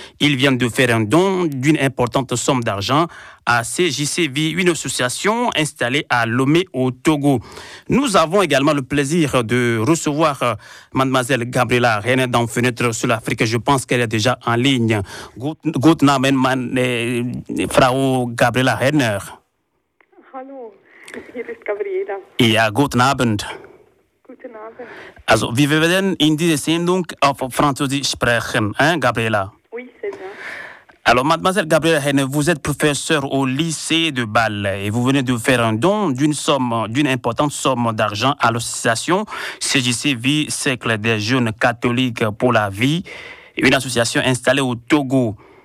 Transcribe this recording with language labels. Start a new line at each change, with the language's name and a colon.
French: Ils viennent de faire un don d'une importante somme d'argent à CJCV, une association installée à Lomé au Togo. Nous avons également le plaisir de recevoir Mademoiselle Gabriela Reine dans Fenêtre sur l'Afrique. Je pense qu'elle est déjà en ligne.
German: Guten Abend, Frau Gabriela Reine. Hallo, hier ist Gabriela. Ja, guten Abend. Guten Abend. Also, wie wir werden in dieser Sendung auf Französisch sprechen, hein, Gabriela?
French: Oui, c'est ça. Alors, Mademoiselle Gabriela Henne, vous êtes professeure au lycée de Bâle et vous venez de faire un don d'une importante somme d'argent à l'association CJC Vie, Cercle des Jeunes Catholiques pour la Vie, une association installée au Togo.